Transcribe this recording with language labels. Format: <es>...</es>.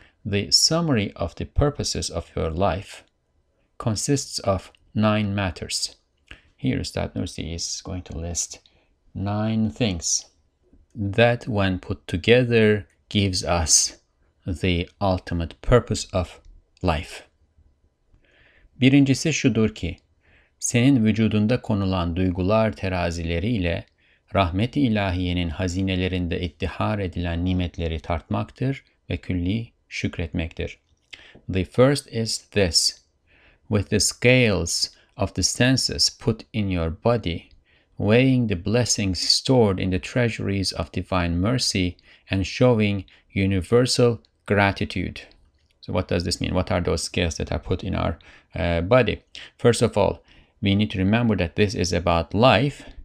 <en>The summary of the purposes of your life consists of 9 matters. Here Üstad Nursi is going to list 9 things that when put together gives us the ultimate purpose of life.</en> <tr>Birincisi şudur ki, senin vücudunda konulan duygular terazileriyle rahmet-i ilahiyenin hazinelerinde ittihar edilen nimetleri tartmaktır ve külli şükretmektir.</tr> <en>The first is this. With the scales of the senses put in your body, weighing the blessings stored in the treasuries of divine mercy and showing universal gratitude. So what does this mean? What are those scales that are put in our body? First of all, we need to remember that this is about life,</en>